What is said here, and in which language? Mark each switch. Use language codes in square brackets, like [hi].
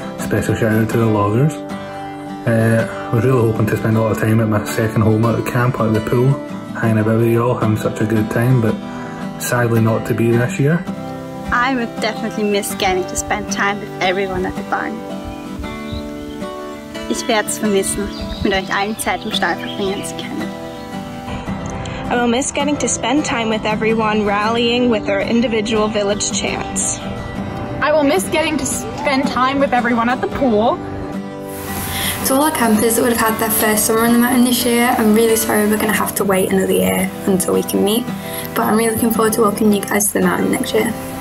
[en] Special shout out to the loggers. I was really hoping to spend a lot of time at my 2nd home out of camp, out of the pool, hanging about with y'all, having such a good time, but sadly not to be this year. I would definitely miss getting to spend time with everyone at the barn. [de] Ich werde es vermissen, mit euch allen Zeit im Stall verbringen zu können. [en] I will miss getting to spend time with everyone rallying with our individual village chants. I will miss getting to spend time with everyone at the pool. To all our campers that would have had their 1st summer on the mountain this year, I'm really sorry we're going to have to wait another year until we can meet, but I'm really looking forward to welcoming you guys to the mountain next year.